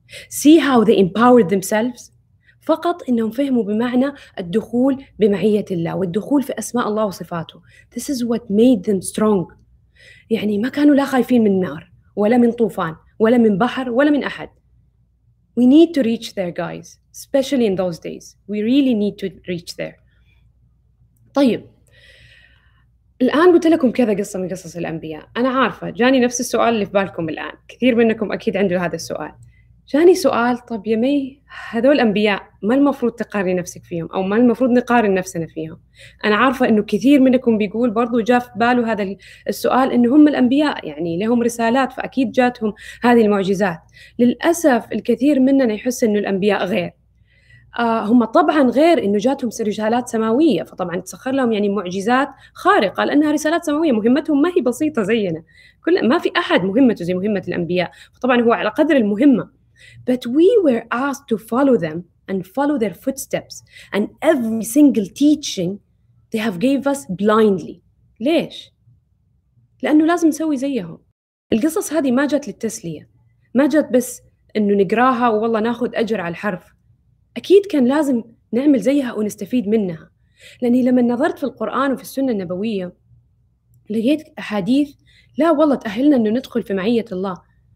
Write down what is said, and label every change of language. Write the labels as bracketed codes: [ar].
[en] See how they empowered themselves؟ [ar] فقط إنهم فهموا بمعنى الدخول بمعية الله والدخول في أسماء الله وصفاته. [en] This is what made them strong. [ar] يعني ما كانوا لا خايفين من نار ولا من طوفان ولا من بحر ولا من أحد. [en] We need to reach there guys, especially in those days. We really need to reach there. [ar] طيب الآن قلت لكم كذا قصة من قصص الأنبياء. أنا عارفة جاني نفس السؤال اللي في بالكم الآن، كثير منكم أكيد عنده هذا السؤال. جاني سؤال، طب يا مي هذول الأنبياء ما المفروض تقارني نفسك فيهم أو ما المفروض نقارن نفسنا فيهم؟ أنا عارفة أنه كثير منكم بيقول برضو جاء في باله هذا السؤال، أنه هم الأنبياء يعني لهم رسالات فأكيد جاتهم هذه المعجزات. للأسف الكثير مننا يحس أنه الأنبياء غير. هم طبعاً غير، إنه جاتهم رسالات سماوية، فطبعاً تسخر لهم يعني معجزات خارقة لأنها رسالات سماوية، مهمتهم ما هي بسيطة زينا، كل ما في أحد مهمته زي مهمة الأنبياء، فطبعاً هو على قدر المهمة. [en] But we were asked to follow them and follow their footsteps and every single teaching they have gave us blindly. [ar] ليش؟ لأنه لازم نسوي زيهم. القصص هذه ما جت للتسلية، ما جت بس إنه نقراها والله ناخد أجر على الحرف. أكيد كان لازم نعمل زيها ونستفيد منها. لأني لما نظرت في القرآن وفي السنة النبوية لقيت أحاديث لا والله تأهلنا أنه ندخل في معية الله.